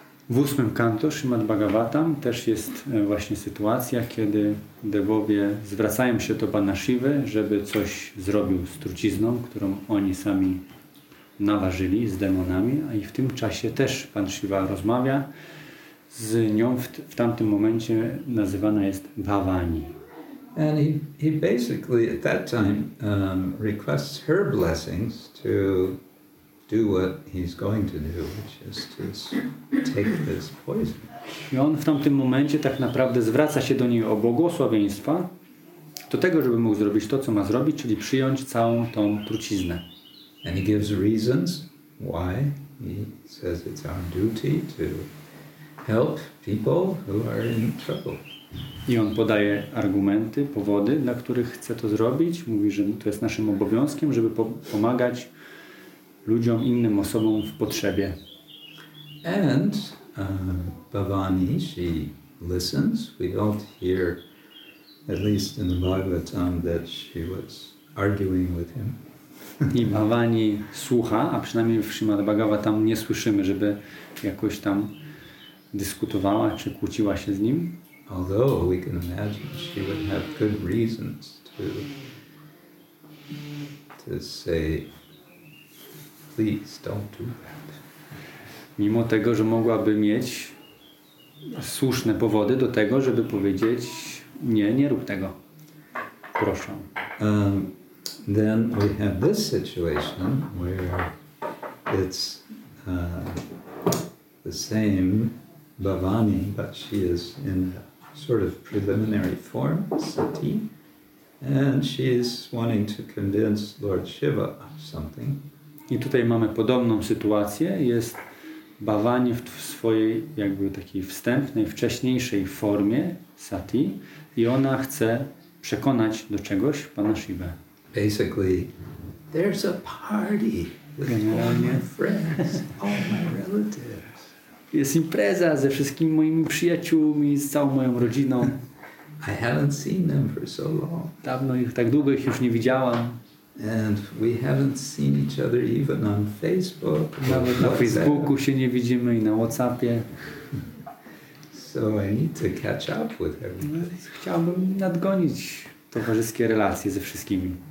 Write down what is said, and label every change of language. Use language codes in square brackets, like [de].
[pl] W ósmym kanto Śrimad Bhagavatam też jest właśnie sytuacja, kiedy devowie zwracają się do Pana Shivy, żeby coś zrobił z trucizną, którą oni sami naważyli z demonami, a i w tym czasie też Pan Shiva rozmawia z nią, w tamtym momencie nazywana jest Bhavani. [en] And he basically at that time requests her blessings to do what he's going to do, which is to take this poison. [pl] I on w tamtym momencie tak naprawdę zwraca się do niej o błogosławieństwa, do tego, żeby mógł zrobić to, co ma zrobić, czyli przyjąć całą tą truciznę. [en] And he gives reasons why. He says it's our duty to help people who are in trouble. [pl] I on podaje argumenty, powody, dla których chce to zrobić. Mówi, że to jest naszym obowiązkiem, żeby pomagać ludziom, innym osobom w potrzebie. [en] And Bhavani, she listens. We don't hear, at least in the Bhagavatam, that she was arguing with him. [pl] I Bhavani słucha, a przynajmniej w Śrimad Bhagavatam nie słyszymy, żeby jakoś tam dyskutowała czy kłóciła się z nim. [en] Although we can imagine she would have good reasons to say, please don't do that. [pl] Mimo tego, że mogłaby mieć słuszne powody do tego, żeby powiedzieć, nie, nie rób tego. Proszę. [en] Then we have this situation where it's the same Bhavani, but she is in sort of preliminary form, sati, and she's wanting to convince Lord Shiva of something. [pl] I tutaj mamy podobną sytuację. Jest Bhavani w swojej jakby takiej wstępnej, wcześniejszej formie, sati, i ona chce przekonać do czegoś Pana Shivę. [en] Basically, there's a party with [pl] generalnie [en] all my friends, all my relatives. [pl] Jest impreza ze wszystkimi moimi przyjaciółmi, z całą moją rodziną. [en] I haven't seen them for so long. [pl] Dawno ich, tak długo ich już nie widziałam. [en] And we haven't seen each other even on Facebook. [pl] Nawet na Facebooku się nie widzimy i na WhatsAppie. [en] So I need to catch up with everybody. [pl] Chciałbym nadgonić towarzyskie relacje ze wszystkimi.